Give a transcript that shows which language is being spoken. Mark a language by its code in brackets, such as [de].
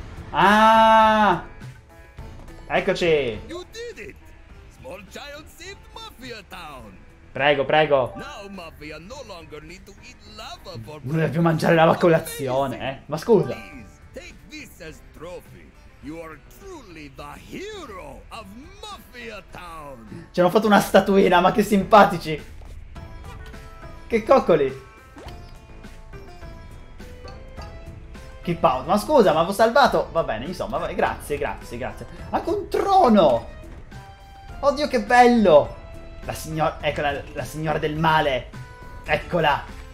[it] Ah! Eccoci! [en] You did it! Small child saved Mafia Town! [it] Prego, prego! [en] Now Mafia no longer need to eat lava for... [it] Non deve più mangiare lava a colazione, eh! Ma scusa! [en] Please, take this as trophy! You are truly the hero of Mafia Town! [it] Ci hanno fatto una statuina, ma che simpatici! Che coccoli! [en] Keep out. [it] Ma scusa, ma l'ho salvato. Va bene, insomma, vabbè. grazie. Anche un trono. Oddio, che bello. La signora, eccola, la signora del male. Eccola.